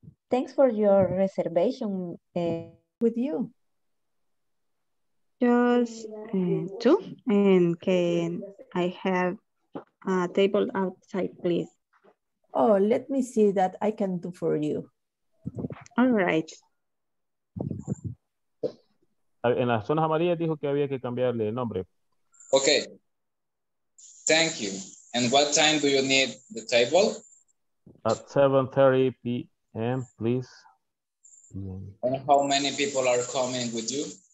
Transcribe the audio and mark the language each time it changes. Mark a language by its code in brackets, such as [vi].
[en] Thanks for your reservation with you. Just two. And can I have a table outside, please? Oh, let me see that I can do for you. All right. [es] En las zonas amarillas dijo que había que cambiarle el nombre. [en] Okay. Thank you. And what time do you need the table? At 7:30 p.m., please. And how many people are coming with you?